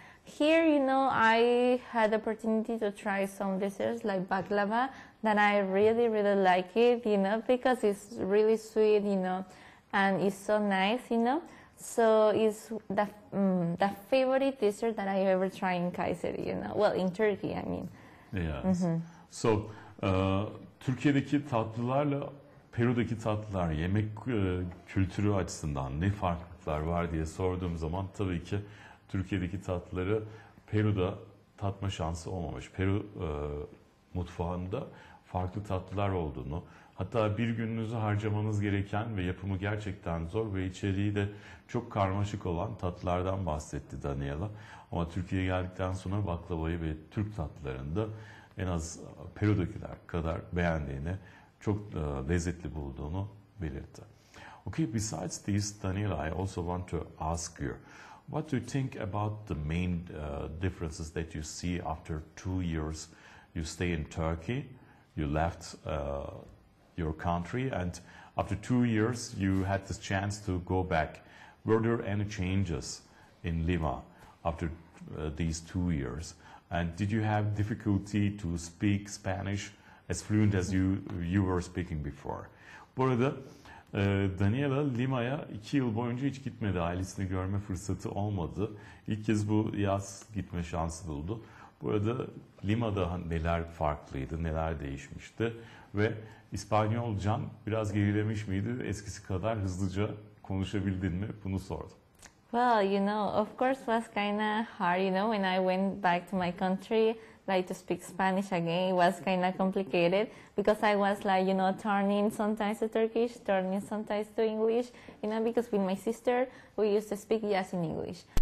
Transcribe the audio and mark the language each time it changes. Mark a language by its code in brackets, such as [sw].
[en] Here, you know, I had the opportunity to try some desserts like baklava that I really, really like it, you know, because it's really sweet, you know, and it's so nice, you know. So it's the favorite dessert that I ever tried in Kayseri, you know. Well, in Turkey, I mean. Yes. [tr] So, Türkiye'deki tatlılarla Peru'daki tatlılar, yemek kültürü açısından ne farklılıklar var diye sorduğum zaman tabii ki Türkiye'deki tatlıları Peru'da tatma şansı olmamış. Peru mutfağında farklı tatlılar olduğunu, hatta bir gününüzü harcamanız gereken ve yapımı gerçekten zor ve içeriği de çok karmaşık olan tatlılardan bahsetti Daniela. Ama Türkiye'ye geldikten sonra baklavayı ve Türk tatlılarında en az Peru'dakiler kadar beğendiğini, çok lezzetli bulduğunu belirtti. [en] Okay, besides this, Daniela, I also want to ask you, what do you think about the main differences that you see after 2 years you stay in Turkey? You left your country and after 2 years you had this chance to go back. Were there any changes in Lima after these 2 years? And did you have difficulty to speak Spanish as fluent as you were speaking before? [tr] Bu arada Daniela Lima'ya 2 yıl boyunca hiç gitmedi. Ailesini görme fırsatı olmadı. İlk kez bu yaz gitme şansı buldu. Bu arada Lima'da neler farklıydı, neler değişmişti ve İspanyolcan biraz gerilemiş miydi? Eskisi kadar hızlıca konuşabildin mi? Bunu sordum. [en] Well, you know, of course it was kind of hard, you know, when I went back to my country, like to speak Spanish again, it was kind of complicated because I was like, you know, turning sometimes to Turkish, turning sometimes to English, you know, because with my sister, we used to speak just in English.